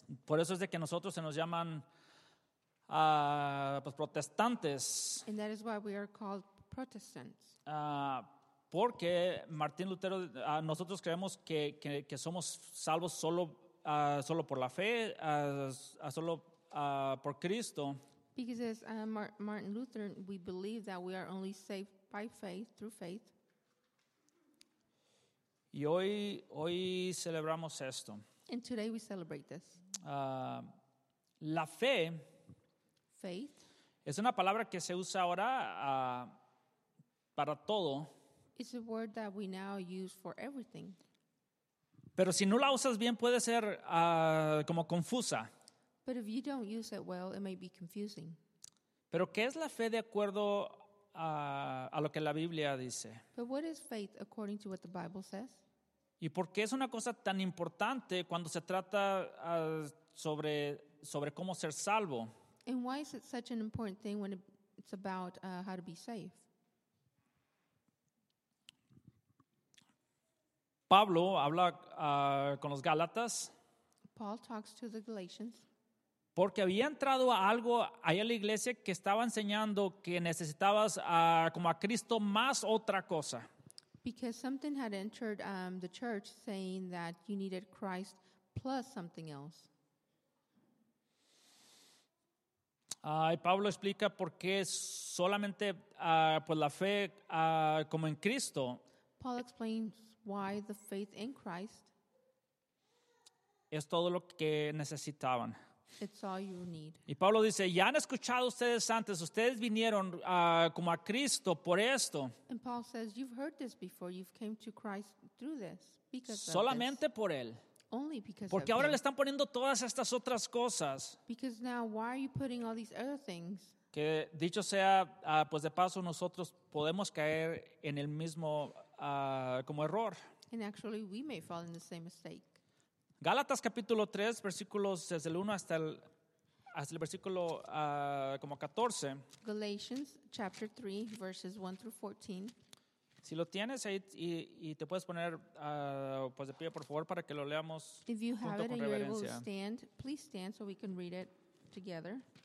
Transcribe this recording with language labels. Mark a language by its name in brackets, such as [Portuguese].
[Spanish] Por eso es de que nosotros se nos llaman pues protestantes. [English] And that is why we are called Protestants. [Spanish] porque Martín Lutero, nosotros creemos que somos salvos solo por la fe, solo por Cristo. [English] Because as Martin Luther, we believe that we are only saved by faith, through faith. [Spanish] Y hoy celebramos esto. [English] And today we celebrate this. [Spanish] La fe. [English] Faith. [Spanish] Es una palabra que se usa ahora para todo. [English] It's a word that we now use for everything. [Spanish] Pero si no la usas bien, puede ser como confusa. [English] But if you don't use it well, it may be confusing. [Spanish] Pero ¿qué es la fe de acuerdo a lo que la Biblia dice? [English] But what is faith according to what the Bible says? [Spanish] ¿Y por qué es una cosa tan importante cuando se trata sobre cómo ser salvo? [English] And why is it such an important thing when it's about how to be safe? [Spanish] Pablo habla con los Gálatas. [English] Paul talks to the Galatians. [Spanish] Porque había entrado algo ahí a la iglesia que estaba enseñando que necesitabas como a Cristo más otra cosa. [English] Because something had entered the church saying that you needed Christ plus something else. [Spanish] Y Pablo explica por qué solamente pues la fe como en Cristo. [English] Paul explains why the faith in Christ [Spanish] es todo lo que necesitaban. [English] It's all you need. [Spanish] Y Pablo dice, ya han escuchado ustedes antes, ustedes vinieron como a Cristo por esto. [English] And Paul says, you've heard this before, you've came to Christ through this. [Spanish] Solamente por Él. [English] Only because [Spanish] porque ahora [English] him. [Spanish] Le están poniendo todas estas otras cosas. [English] Because now, why are you putting all these other things? [Spanish] Que dicho sea, pues de paso nosotros podemos caer en el mismo como error. [English] And actually, we may fall in the same mistake. [Spanish] Gálatas capítulo 3, versículos desde el 1 hasta el versículo como 14. [English] Galatians chapter 3, verses 1 through 14. [Spanish] Si lo tienes ahí y te puedes poner pues de pie, por favor, para que lo leamos junto con reverencia. [English] If you have it and you're able to stand, please stand so we can read it together.